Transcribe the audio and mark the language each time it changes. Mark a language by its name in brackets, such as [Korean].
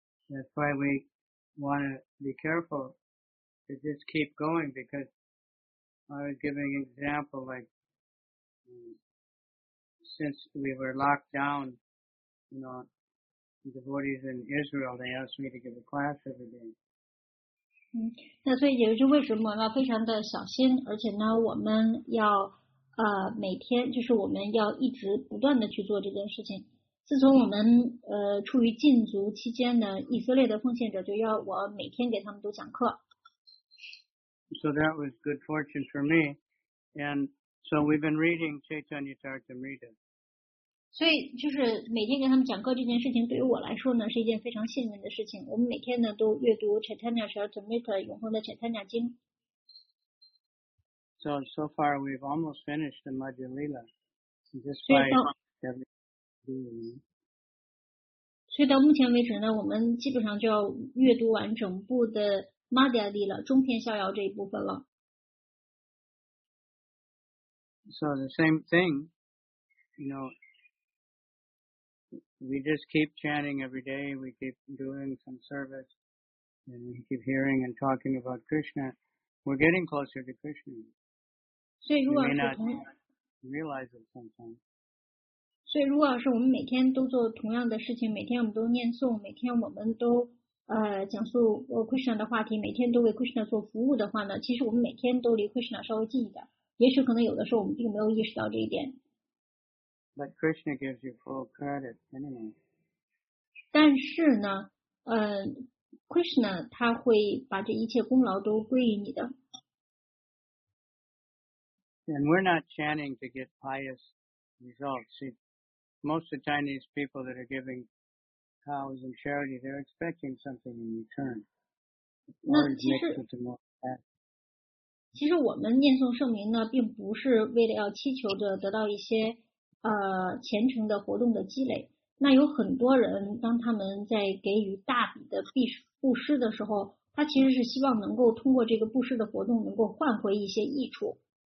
[English] That's why we want to be careful to just keep going, because I was giving an example like, since we were locked down, you know, the devotees in Israel, they asked me to give a class every day. [Chinese] 那所以也就是为什么要非常的小心，而且呢，我们要每天就是我们要一直不断的去做这件事情。自从我们处于禁足期间呢，以色列的奉献者就要我每天给他们都讲课。 [English] So that was good fortune for me, and so we've been reading Chaitanya Charitamrita. [Chinese] 所以就是每天给他们讲课这件事情对于我来说呢是一件非常幸运的事情。我们每天呢都阅读 Chaitanya Charitamrita 永恒的 Chaitanya 经。 [English] So far we've almost finished the Madhyalila, just by having. [Chinese] 所以到目前为止呢，我们基本上就要阅读完整部的《玛迦利》了，中篇逍遥这一部分了。 [English] So the same thing, you know, we just keep chanting every day, we keep doing some service, and we keep hearing and talking about Krishna. We're getting closer to Krishna. So we may not realize it sometimes. [Chinese] 所以如果要是我们每天都做同样的事情，每天我们都念诵，每天我们都讲述 Krishna 的话题，每天都为 Krishna 做服务的话呢，其实我们每天都离 Krishna 稍微近一点，也许可能有的时候我们并没有意识到这一点。 [English] But Krishna gives you full credit anyway. [Chinese] 但是呢Krishna 他会把这一切功劳都归于你的。 [English] And we're not chanting to get pious results. Most of the Chinese people that are giving cows and charity, they're expecting something in return. [Chinese] 那其实我们念诵圣名呢，并不是为了要祈求着得到一些虔诚的活动的积累。那有很多人，当他们在给予大笔的布施的时候，他其实是希望能够通过这个布施的活动，能够换回一些益处。